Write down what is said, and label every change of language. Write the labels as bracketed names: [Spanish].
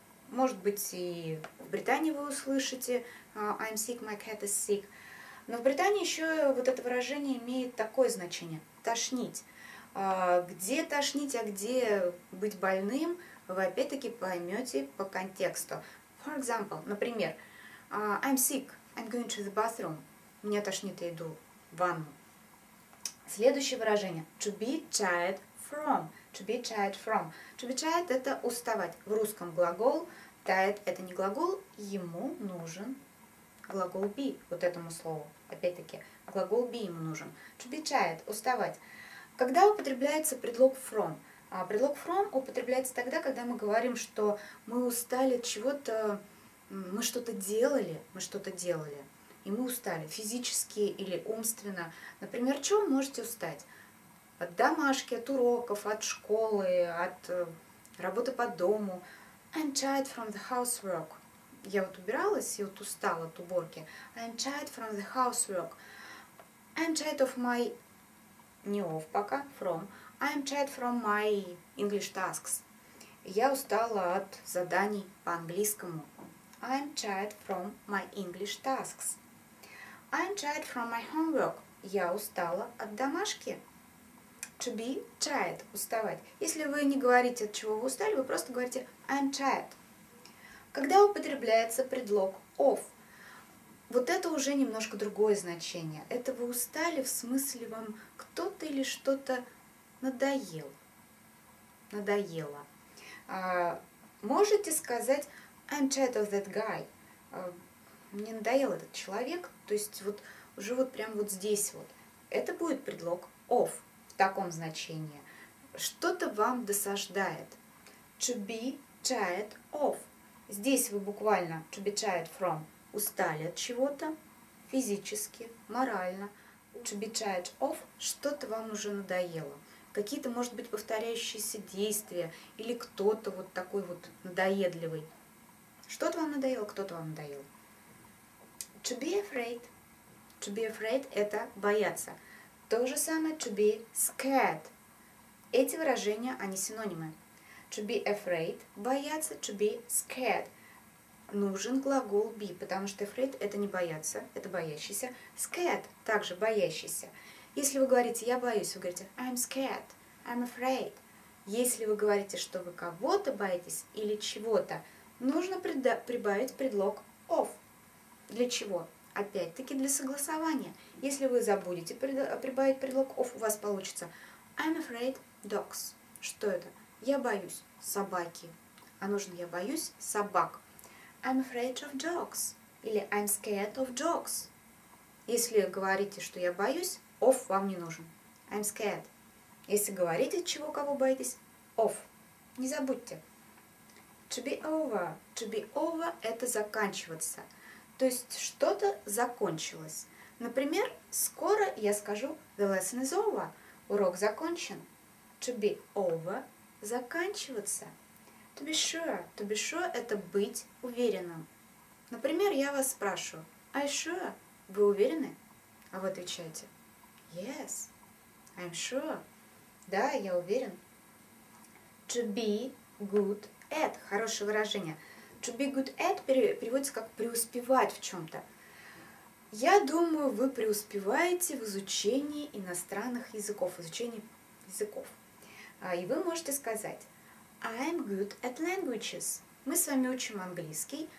[Russian] Может быть, и в Британии вы услышите [English] I'm sick, my cat is sick. [Russian] Но в Британии еще вот это выражение имеет такое значение – тошнить. Где тошнить, а где быть больным, вы опять-таки поймете по контексту. [English] For example, [Russian] например, [English] I'm sick, I'm going to the bathroom. [Russian] Мне тошнит, я иду в ванну. Следующее выражение. [English] To be tired from. To be tired from. To be tired – [Russian] это уставать. В русском глагол. Tired – это не глагол. Ему нужен глагол be. Вот этому слову. Опять-таки, глагол be ему нужен. [English] To be tired – [Russian] уставать. Когда употребляется предлог from? Предлог from употребляется тогда, когда мы говорим, что мы устали от чего-то, мы что-то делали. И мы устали физически или умственно. Например, чем можете устать? От домашки, от уроков, от школы, от работы по дому. [English] I'm tired from the housework. [Russian] Я вот убиралась и вот устала от уборки. [English] I'm tired from the housework. I'm tired of my... [Russian] Не of пока, from. [English] I'm tired from my English tasks. [Russian] Я устала от заданий по английскому. [English] I'm tired from my English tasks. I'm tired from my homework. [Russian] Я устала от домашки. [English] To be tired. [Russian] Уставать. Если вы не говорите, от чего вы устали, вы просто говорите [English] I'm tired. [Russian] Когда употребляется предлог of? Вот это уже немножко другое значение. Это вы устали, в смысле вам кто-то или что-то надоел. Надоело. Можете сказать [English] I'm tired of that guy. [Russian] Мне надоел этот человек, то есть вот уже вот прямо вот здесь вот. Это будет предлог of в таком значении. Что-то вам досаждает. [English] To be tired of. [Russian] Здесь вы буквально [English] to be tired from. [Russian] Устали от чего-то физически, морально. [English] To be tired of. [Russian] Что-то вам уже надоело. какие-то, может быть, повторяющиеся действия, или кто-то вот такой вот надоедливый. Что-то вам надоело, кто-то вам надоел. [English] To be afraid. To be afraid – [Russian] это бояться. То же самое [English] to be scared. [Russian] Эти выражения, они синонимы. [English] To be afraid – [Russian] бояться, [English] to be scared. [Russian] Нужен глагол be, потому что afraid – это не бояться, это боящийся. Scared – также боящийся. Если вы говорите «я боюсь», вы говорите [English] «I'm scared», «I'm afraid». [Russian] Если вы говорите, что вы кого-то боитесь или чего-то, нужно прибавить предлог of. Для чего? Опять-таки для согласования. Если вы забудете прибавить предлог of, у вас получится [English] I'm afraid dogs. [Russian] Что это? Я боюсь собаки. А нужно я боюсь собак. [English] I'm afraid of dogs. Или I'm scared of dogs. [Russian] Если говорите, что я боюсь, of вам не нужен. [English] I'm scared. [Russian] Если говорите, чего кого боитесь, of. Не забудьте. [English] To be over. To be over – [Russian] это заканчиваться. То есть что-то закончилось. Например, скоро я скажу [English] «the lesson is over». [Russian] Урок закончен. [English] To be over – [Russian] заканчиваться. [English] To be sure. To be sure [Russian] – это быть уверенным. Например, я вас спрашиваю [English] «I'm sure?» [Russian] Вы уверены? А вы отвечаете [English] «Yes, I'm sure». [Russian] Да, я уверен. [English] To be good at – [Russian] хорошее выражение. To be good at переводится как «преуспевать в чем-то». Я думаю, вы преуспеваете в изучении иностранных языков, изучении языков. И вы можете сказать [English] «I'm good at languages». [Russian] Мы с вами учим английский.